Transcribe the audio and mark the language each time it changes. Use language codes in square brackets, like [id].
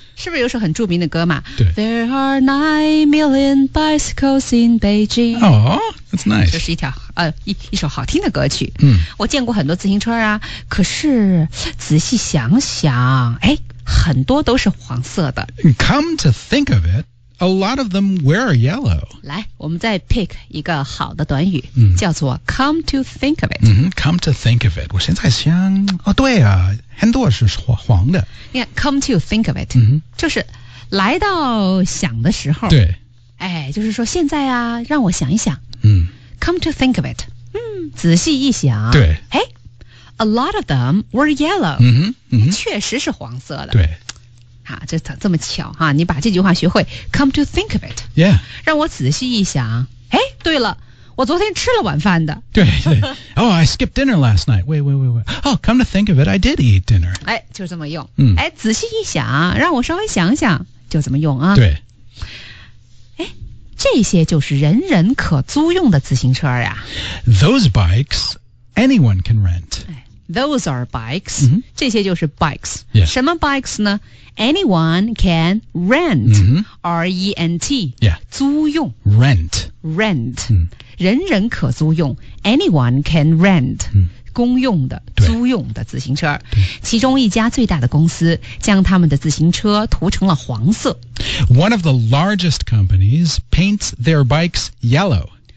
[zh] 是不是有首很著名的歌嘛对 [en] There are 9 million bicycles in Beijing Oh, that's nice [zh] 这是一首好听的歌曲、 mm. 我见过很多自行车啊可是仔细想想哎，很多都是黄色的 [en] Come to think of itA lot of them wear yellow. [zh] 来，我们再 pick 一个好的短语、嗯、叫做 [en] come to think of it.、嗯、come to think of it. [zh] 我现在想、哦、对啊很多是黄的。 [en] Yeah, come to think of it.、嗯、 [zh] 就是来到想的时候。对。哎就是说现在啊让我想一想。嗯。 [en] Come to think of it.、嗯、 [zh] 仔细一想。对。 [en] 哎 ,a lot of them were yellow.、嗯哼嗯、 [zh] 确实是黄色的。对。啊、这么巧哈、啊、你把这句话学会 [en] come to think of it. Yeah. [zh] 让我仔细一想。诶对了我昨天吃了晚饭的。对对。 [en] Oh, I skipped dinner last night. Wait. Oh, come to think of it, I did eat dinner. [zh] 诶就这么用。嗯、诶仔细一想让我稍微想想就怎么用啊。对。诶这些就是人人可租用的自行车啊。 [en] Those bikes, anyone can rent. Those are bikes,、 mm-hmm. [zh] 这些就是 bikes.、 [en] Yeah. [zh] 什么 [en] bikes 呢?Anyone can rent,、 mm-hmm. R-E-N-T,、 yeah. [zh] 租用。 [en] Rent. Rent,、 mm-hmm. [zh] 人人可租用。 [en] Anyone can rent,、 mm-hmm. [zh] 公用的、租用的自行车。其中一家最大的公司将他们的自行车涂成了黄色。 [en] One of the largest companies paints their bikes yellow.